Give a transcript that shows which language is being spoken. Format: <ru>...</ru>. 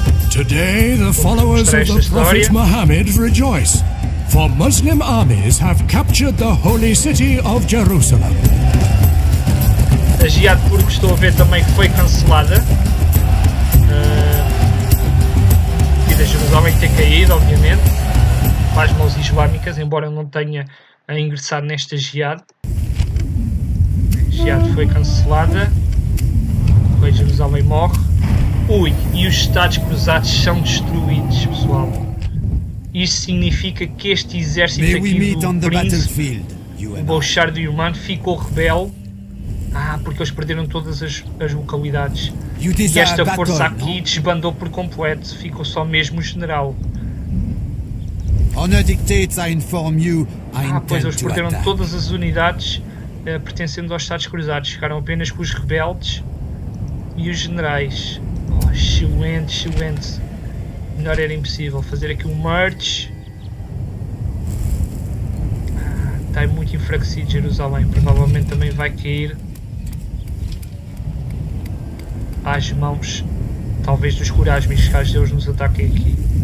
<en>Today the followers of the Prophet Muhammad rejoice, for Muslim armies have captured the holy city of Jerusalem.</en> <pt>A Jihad Turco estou a ver também que foi cancelada. E da Jerusalém ter caído, obviamente. Para as mãos islâmicas, embora eu não tenha ingressado nesta Jihad. Jihad foi cancelada. O rei de Jerusalém morre. Ui, e os Estados Cruzados são destruídos, pessoal. Isso significa que este exército aqui do príncipe, o Bouchard de Yuman, ficou rebelde. Ah, porque eles perderam todas as localidades. E esta força aqui desbandou por completo. Ficou só mesmo o general.</pt> <en>Honor dictates, I inform you, I intend to attack.</en> <pt>Eles perderam todas as unidades pertencendo aos Estados Cruzados. Ficaram apenas com os rebeldes e os generais. Oh, excelente, excelente. Melhor era impossível. Fazer aqui um merge. Está muito enfraquecido Jerusalém. Provavelmente também vai cair às mãos, talvez dos corajmes, caso Deus nos ataque aqui.</pt>